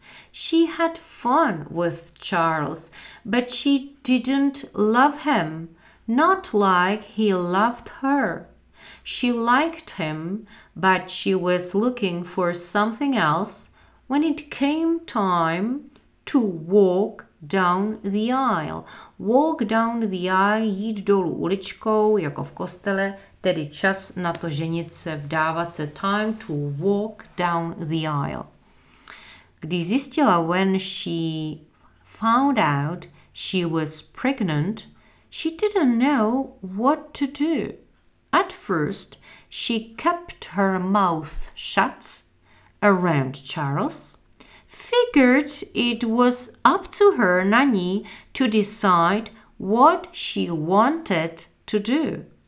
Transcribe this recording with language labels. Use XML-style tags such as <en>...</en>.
<en>She had fun with Charles, but she didn't love him, not like he loved her. She liked him, but she was looking for something else when it came time to walk down the aisle. Walk down the aisle,</en> <cs>jít dolů uličkou, jako v kostele, tedy čas na to ženit se, vdávat se,</cs> <en>time to walk down the aisle.</en> <cs>Když zjistila,</cs> <en>when she found out she was pregnant, she didn't know what to do. At first, she kept her mouth shut around Charles, figured it was up to her, Nani, to decide what she wanted to do.</en>